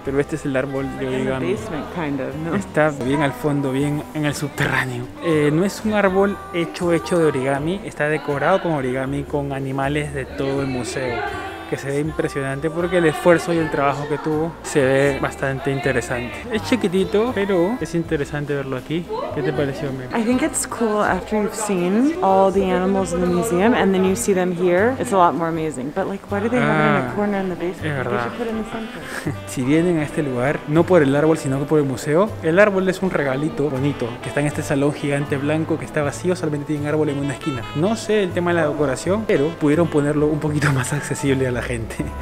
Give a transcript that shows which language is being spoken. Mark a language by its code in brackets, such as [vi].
[es] Pero este es el árbol, yo digamos. Está bien al fondo, bien en el subterráneo. No es un árbol hecho de origami. Está decorado con origami, con animales de todo el museo. Que se ve impresionante porque el esfuerzo y el trabajo que tuvo se ve bastante interesante. Es chiquitito, pero es interesante verlo aquí. ¿Qué te pareció, Mary? [en] I think it's cool after you've seen all the animals in the museum and then you see them here. It's a lot more amazing. But like, why do they have it in a corner in the basement? [es] Es verdad. [en] They should put it in the center. [es] Si vienen a este lugar, no por el árbol, sino por el museo, el árbol es un regalito bonito que está en este salón gigante blanco que está vacío, solamente tiene un árbol en una esquina. No sé el tema de la decoración, pero pudieron ponerlo un poquito más accesible a la gente.